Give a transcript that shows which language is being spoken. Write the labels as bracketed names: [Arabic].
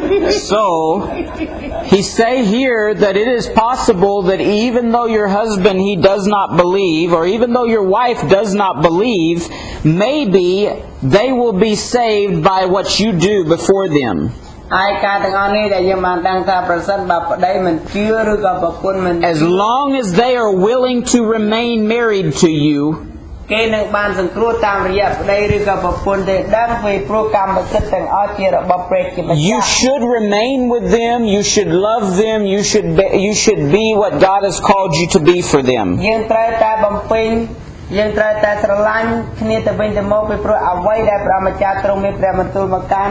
[English] So, he say here that it is possible that even though your husband he does not believe, or even though your wife does not believe, maybe they will be saved by what you do before them. As long as they are willing to remain married to you, [Khmer] គេនឹងបានសង្គ្រោះតាមរយៈប្តីឬក៏ប្រពន្ធទេដឹងពីព្រោះកម្មសិទ្ធិទាំងអស់ជារបស់ព្រះជាម្ចាស់ [English] You should remain with them, you should love them, you should be what God has called you to be for them. [Khmer] យើងត្រូវតែបំពេញយើងត្រូវតែស្រឡាញ់គ្នាទៅវិញទៅមកពីព្រោះអ្វីដែលព្រះម្ចាស់ទ្រង់មានព្រះបន្ទូលមកកាន